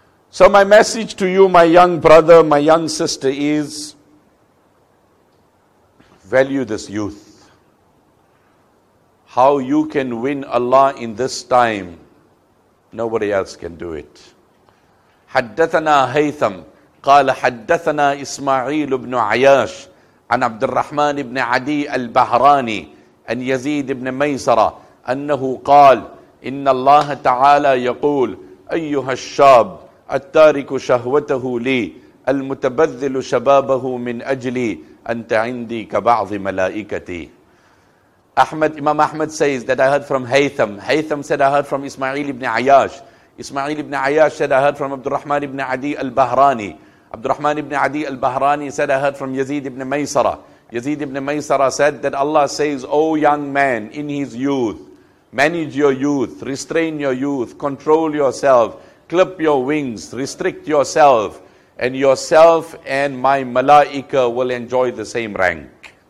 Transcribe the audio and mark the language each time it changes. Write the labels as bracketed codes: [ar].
[en] So my message to you, my young brother, my young sister, is value this youth. How you can win Allah in this time, nobody else can do it. [ar] حدثنا هيثم قال حدثنا إسماعيل بن عياش عن عبد الرحمن بن عدي البهراني عن يزيد بن ميسرة أنه قال إن الله تعالى يقول أيها الشاب التارك شهوته لي المتبذل شبابه من أجلي أنت عندي كبعض ملائكتي. [en] Ahmad, Imam Ahmad says that I heard from Haytham. Haytham said I heard from Ismail ibn Ayyash. Ismail ibn Ayyash said I heard from Abdurrahman ibn Adi al-Bahrani. Abdurrahman ibn Adi al-Bahrani said I heard from Yazid ibn Maysara. Yazid ibn Maysara said that Allah says, O young man, in his youth, manage your youth, restrain your youth, control yourself, clip your wings, restrict yourself, and yourself and my malaika will enjoy the same rank.